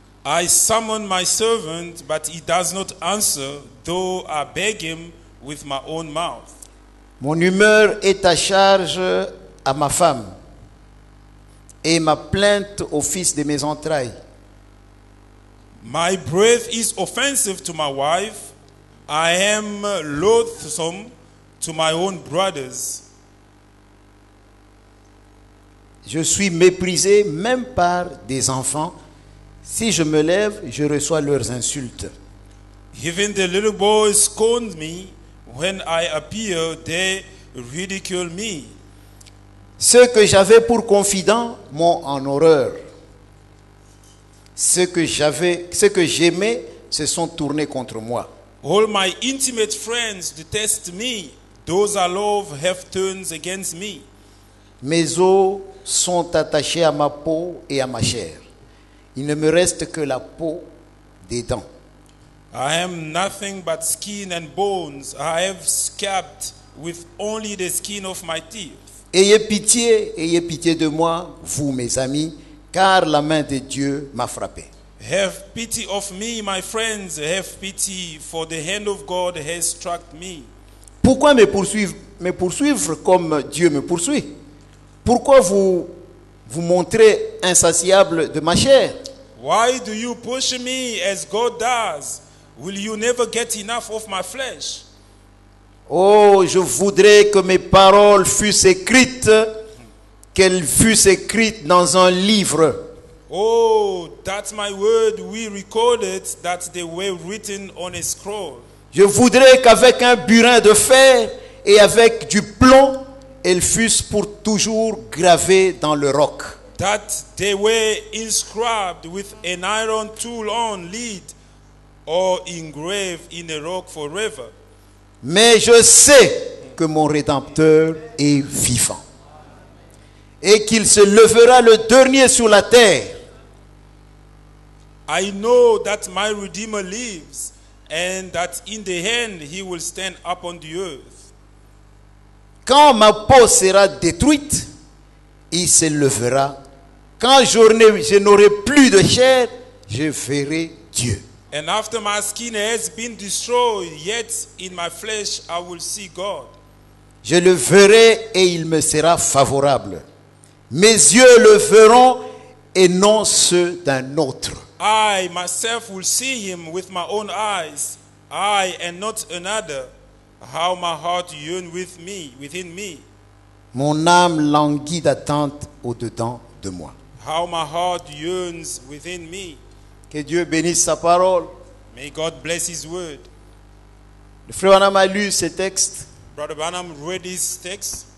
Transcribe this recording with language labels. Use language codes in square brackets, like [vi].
[en] I summon my servant, but he does not answer, though I beg him with my own mouth. [fr] Mon humeur est à charge à ma femme, et ma plainte au fils de mes entrailles. [en] My breath is offensive to my wife. I am loathsome to my own brothers. [fr] Je suis méprisé même par des enfants. Si je me lève, je reçois leurs insultes. [en] Even the little boys scorn me. When I appear, they ridicule me. [fr] Ceux que j'avais pour confident m'ont en horreur. Ceux que j'aimais se sont tournés contre moi. [en] All my intimate friends detest me. Those I love have turned against me. [fr] Mes os sont attachés à ma peau et à ma chair. Il ne me reste que la peau des dents. [en] I am nothing but skin and bones. I have scabbed with only the skin of my teeth. [fr] Ayez pitié de moi, vous mes amis, car la main de Dieu m'a frappé. [en] Have pity of me, my friends. Have pity, for the hand of God has struck me. [fr] Pourquoi me poursuivre comme Dieu me poursuit? Pourquoi vous montrez insatiable de ma chair? [en] Why do you push me as God does? Will you never get enough of my flesh? [fr] Oh, je voudrais que mes paroles fussent écrites, qu'elles fussent écrites dans un livre. [en] Oh, that my word we recorded, that they were written on a scroll. [fr] Je voudrais qu'avec un burin de fer et avec du plomb, elles fussent pour toujours gravées dans le roc. [en] That they were inscribed with an iron tool on lead or engraved in a rock forever. [fr] Mais je sais que mon Rédempteur est vivant et qu'il se levera le dernier sur la terre. [en] I know that my Redeemer lives and that in the end he will stand upon the earth. [fr] Quand ma peau sera détruite, il se levera. Quand je n'aurai plus de chair, je verrai Dieu. [en] And after my skin has been destroyed, yet in my flesh I will see God. [fr] Je le verrai et il me sera favorable. Mes yeux le verront et non ceux d'un autre. [en] I myself will see him with my own eyes, I and not another. How my heart yearns within me. [fr] Mon âme languit d'attente au-dedans de moi. [en] How my heart yearns within me. [fr] Que Dieu bénisse sa parole. [en] May God bless his word. [fr] Le frère Branham a lu ce texte. [en] Brother Branham read his text.